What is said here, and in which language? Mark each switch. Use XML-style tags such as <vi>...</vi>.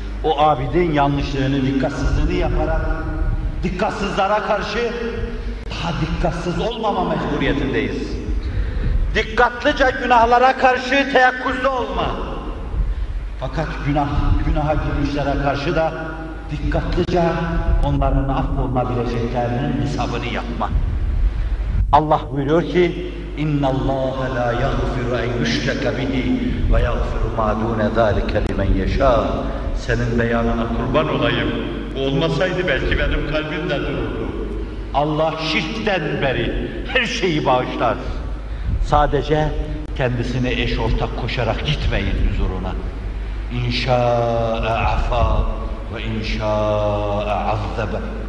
<tr>O abidin yanlışlığını, dikkatsizliğini yaparak, dikkatsizlere karşı daha dikkatsiz olmama mecburiyetindeyiz. Dikkatlice günahlara karşı teyakkuzlu olma. Fakat günaha girmişlere karşı da dikkatlice onların affolabileceklerinin hesabını yapma. Allah buyuruyor ki,</tr> <ar>اِنَّ اللّٰهَ لَا يَغْفِرُ اَنْ يُشْرَكَ بِهِ وَيَغْفِرُ مَا دُونَ ذَٰلِكَ لِمَنْ يَشَاءُ.</ar> <tr>Senin beyanına kurban olayım. Olmasaydı belki benim kalbim de dururdu. Allah şirkten beri her şeyi bağışlar. Sadece kendisine eş ortak koşarak gitmeyin huzuruna.</tr> <ar>اِنْشَاءَ عَفَا وَاِنْشَاءَ عَذَّبَ.</ar>